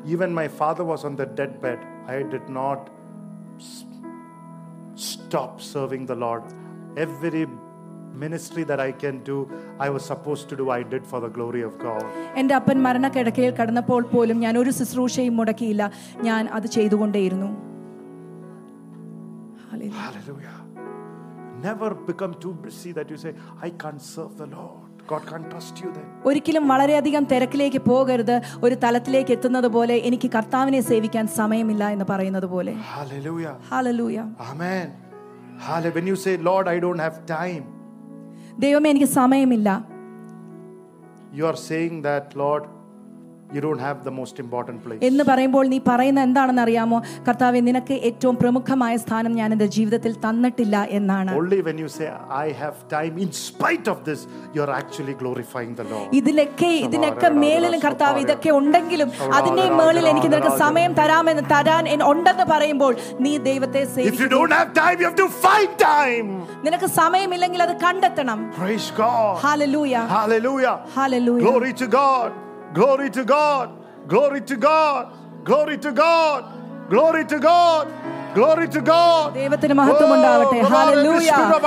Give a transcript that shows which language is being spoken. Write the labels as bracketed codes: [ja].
[en] Even my father was on the deathbed, I did not stop serving the Lord. Every ministry that I can do, I was supposed to do, I did for the glory of God. [ml] എന്റെ അപ്പൻ മരണക്കിടക്കയിൽ കിടന്നപ്പോൾ പോലും ഞാൻ ഒരു ശുശ്രൂഷയും മുടക്കിയില്ല, ഞാൻ അത് ചെയ്തുകൊണ്ടേയിരുന്നു. [en] Hallelujah. Never become too busy that you say, I can't serve the Lord. God can't trust you then. [ml] ഒരിക്കലും വളരെ അധികം തിരക്കിലേക്ക് പോകരുത്, ഒരു തലത്തിലേക്ക് എത്തുന്നതുപോലെ എനിക്ക് കർത്താവിനെ സേവിക്കാൻ സമയമില്ല എന്ന് പറയുന്നതുപോലെ. [en] Hallelujah. Hallelujah. Amen. Hallelujah. When you say, Lord, I don't have time. [ml] ദൈവമേ എനിക്ക് സമയമില്ല. [en] You are saying that, Lord, you don't have the most important place. [ml] എന്ന് പറയുമ്പോൾ നീ പറയുന്ന എന്താണെന്ന് അറിയാമോ? കർത്താവേ, നിനക്ക് ഏറ്റവും പ്രമുഖമായ സ്ഥാനം ഞാൻ എൻ്റെ ജീവിതത്തിൽ തന്നിട്ടില്ല എന്നാണ്. [en] Only when you say I have time in spite of this, you are actually glorifying the Lord. [ml] ഇതിനൊക്കെ മേലിലും കർത്താവേ ഇതൊക്കെ ഉണ്ടെങ്കിലും അതിനെ മേലിൽ എനിക്ക് നിനക്ക് സമയം തരാമെന്ന് തരാൻ ഉണ്ടെന്ന് പറയുമ്പോൾ നീ ദൈവത്തെ സേവിക്കണം. [en] If you don't have time, you have to find time. [ml] നിനക്ക് സമയമില്ലെങ്കിൽ അത് കണ്ടെത്തണം. [en] Praise God. Hallelujah. Hallelujah. Hallelujah. Glory to God. Glory to God. Glory to God. Glory to God. Glory to God. Glory to God. [ml] ദൈവത്തിന് മഹത്വം ഉണ്ടാവട്ടെ. Hallelujah.